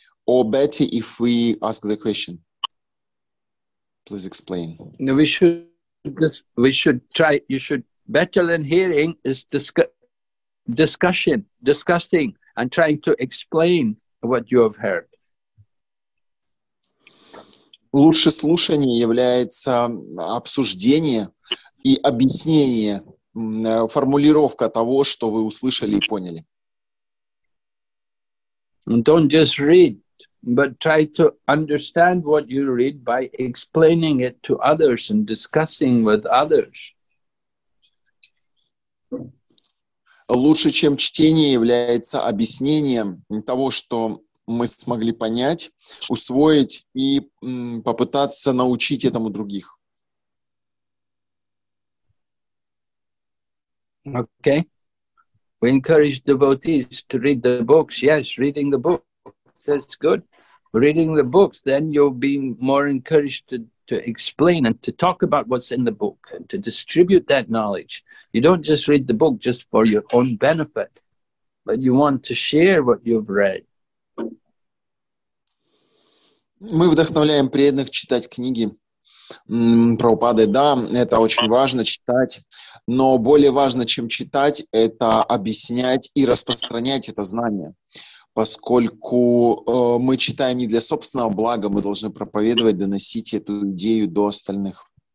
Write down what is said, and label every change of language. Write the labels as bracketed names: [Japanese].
[English] Or better if we ask the question. Please explain. No, we should try. You should better than hearing is discussing and trying to explain what you have heard. [Russian] Лучше слушание является обсуждение и объяснение, формулировка того, что вы услышали и поняли. [English] And don't just read. But try to understand what you read by explaining it to others and discussing with others. [Russian] Лучше, чем чтение, является объяснение того, что мы смогли понять, усвоить и попытаться научить этому других. [English] Okay. We encourage devotees to read the books. Yes, reading the book. That's good. Reading the books, then you'll be more encouraged to explain and to talk about what's in the book and to distribute that knowledge. You don't just read the book just for your own benefit, but you want to share what you've read. [Russian] Мы вдохновляем преданных читать книги Прабхупады. Да, это очень важно читать, но более важно, чем читать, это объяснять и распространять это знание. Поскольку мы читаем не для собственного блага, мы должны проповедовать, доносить эту идею до остальных.